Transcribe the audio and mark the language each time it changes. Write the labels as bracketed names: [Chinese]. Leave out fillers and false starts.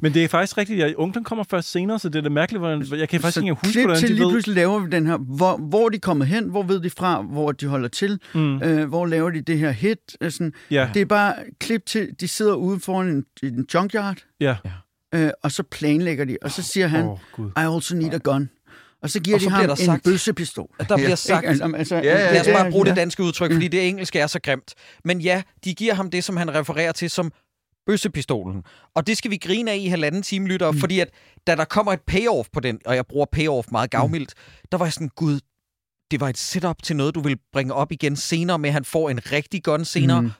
[Danish] Men det er faktisk rigtigt. Ja, onklen kommer først senere, så det er det mærkeligt, hvordan jeg kan faktisk ikke huske, hvordan de ved. Til lige pludselig laver vi den her. Hvor er de kommet hen? Hvor ved de fra? Hvor de holder til? Hvor laver de det her hit? Sådan. Ja. Det er bare klip til, de sidder ude foran en junkyard, og så planlægger de. Og så siger han, [English] I also need a gun. [Danish] Og så giver og så de bliver ham der sagt, en bøssepistol. Der bliver sagt, lad os bare bruge det danske udtryk, fordi det engelske er så grimt. Men ja, de giver ham det, som han refererer til som bøssepistolen. Og det skal vi grine af i halvanden time, lytter, fordi at da der kommer et payoff på den, og jeg bruger payoff meget gavmildt, der var jeg sådan, gud, det var et setup til noget, du vil bringe op igen senere, med at han får en rigtig gun senere.